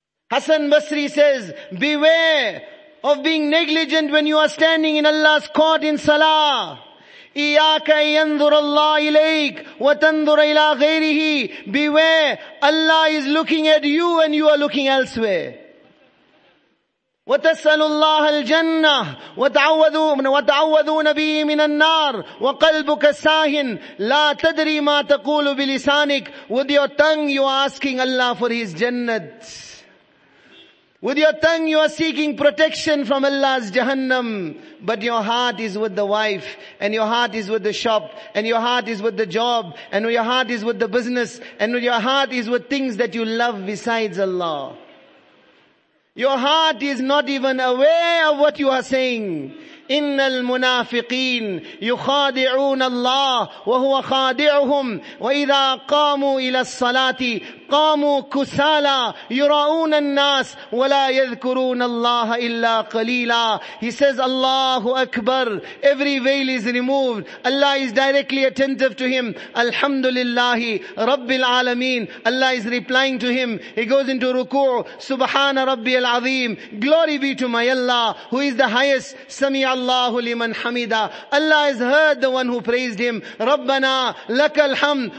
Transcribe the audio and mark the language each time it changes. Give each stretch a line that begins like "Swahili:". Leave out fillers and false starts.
English: Hassan Basri says beware of being negligent when you are standing in Allah's court in salah.
Arabic: إِيَّاكَ يَنْظُرَ اللَّهُ إِلَيْكَ وَتَنْظُرَ إِلَىٰ غَيْرِهِ
English: Beware, Allah is looking at you and you are looking elsewhere.
Arabic: وَتَسْأَلُ اللَّهَ الْجَنَّةِ وَتَعَوَّذُونَ بِهِ مِنَ النَّارِ وَقَلْبُكَ سَاهِنْ لَا تَدْرِي مَا تَقُولُ بِلِسَانِكَ
English: With your tongue you are asking Allah for His Jannat. With your tongue you are seeking protection from Allah's Jahannam. But your heart is with the wife. And your heart is with the shop. And your heart is with the job. And your heart is with the business. And your heart is with things that you love besides Allah. Your heart is not even aware of what you are saying.
Arabic: إِنَّ الْمُنَافِقِينَ يُخَادِعُونَ اللَّهِ وَهُوَ خَادِعُهُمْ وَإِذَا قَامُوا إِلَى الصَّلَاةِ قَامُوا كُسَالَى يُرَاؤُونَ النَّاسِ وَلَا يَذْكُرُونَ اللَّهَ إِلَّا قَلِيلًا
English: He says, Allahu Akbar, every veil is removed. Allah is directly attentive to him. Alhamdulillahi, Rabbil Alameen. Allah is replying to him. He goes into ruku' Subhana Rabbi al-Azim. Glory be to my Allah, who is the highest. Allahu liman hamida. Allah has heard the one who praised him. Rabbana lakal hamd.